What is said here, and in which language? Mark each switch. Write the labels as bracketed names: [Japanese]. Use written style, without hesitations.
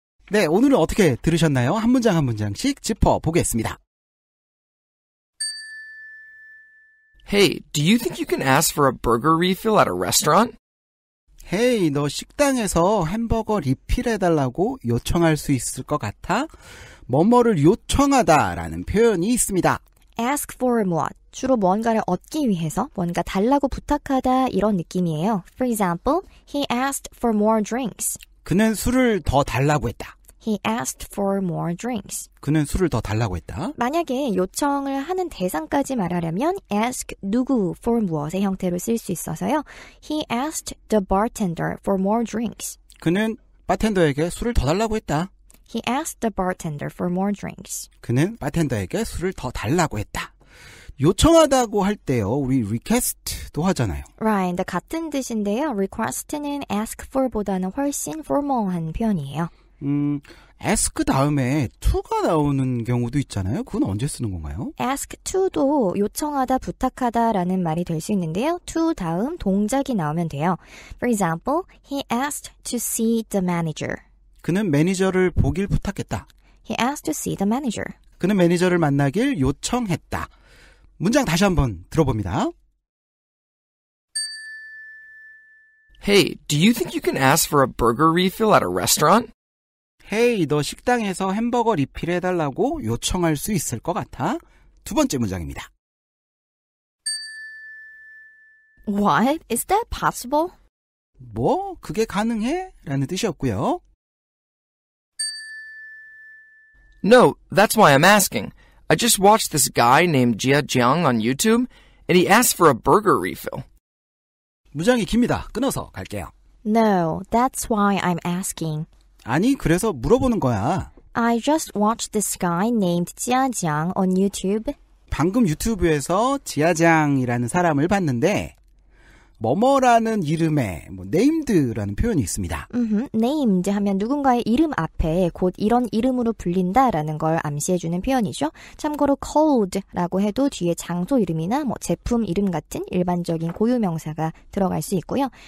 [Korean] 네, 오늘은 어떻게 들으셨나요? 한 문장 한 문장씩 짚어보겠습니다. [English] Hey, do you think you can ask for a burger refill at a restaurant? [Korean] Hey, 너 식당에서 햄버거 리필해달라고 요청할 수 있을 것 같아? 뭐뭐를 요청하다 라는 표현이 있습니다. [English] Ask for what? [Korean] 주로 뭔가를 얻기 위해서 뭔가 달라고 부탁하다 이런 느낌이에요. [English] For example, he asked for more drinks. [Korean] 그는 술을 더 달라고 했다. [English] He asked for more drinks. [Korean] 그는 술을 더 달라고 했다. 만약에 요청을 하는 대상까지 말하려면 ask 누구 for 무엇의 형태로 쓸 수 있어서요. [English] He asked the bartender for more drinks. [Korean] 그는 바텐더에게 술을 더 달라고 했다. [English] He asked the bartender for more drinks. [Korean] 그는 바텐더에게 술을 더 달라고 했다. 요청하다고 할 때요, 우리 request도 하잖아요. Right, 근데 같은 뜻인데요. request는 ask for보다는 훨씬 formal한 표현이에요. Ask 다음에 to가 나오는 경우도 있잖아요. 그건 언제 쓰는 건가요? Ask to도 요청하다, 부탁하다 라는 말이 될 수 있는데요. to 다음 동작이 나오면 돼요. [English] For example, he asked to see the manager. [Korean] 그는 매니저를 보길 부탁했다. [English] He asked to see the manager. [Korean] 그는 매니저를 만나길 요청했다. 문장 다시 한번 들어봅니다. [English] Hey, do you think you can ask for a burger refill at a restaurant? [Korean] Hey, 너 식당에서 햄버거 리필해달라고 요청할 수 있을 것 같아? 두 번째 문장입니다. [English] What? Is that possible? [Korean] 뭐? 그게 가능해? 라는 뜻이었고요. [English] No, that's why I'm asking. I just watched this guy named Jia Jiang on YouTube, and he asked for a burger refill. [Korean] 문장이 깁니다. 끊어서 갈게요. [English] No, that's why I'm asking. [Korean] 아니, 그래서 물어보는 거야. [English] I just watched this guy named Jia Jiang on YouTube. [Korean] 방금 유튜브에서 지아장이라는 사람을 봤는데 뭐뭐라는 이름에 뭐 named라는 표현이 있습니다. Named 하면 누군가의 이름 앞에 곧 이런 이름으로 불린다라는 걸 암시해주는 표현이죠. 참고로 called라고 해도 뒤에 장소 이름이나 뭐 제품 이름 같은 일반적인 고유명사가 들어갈 수 있고요.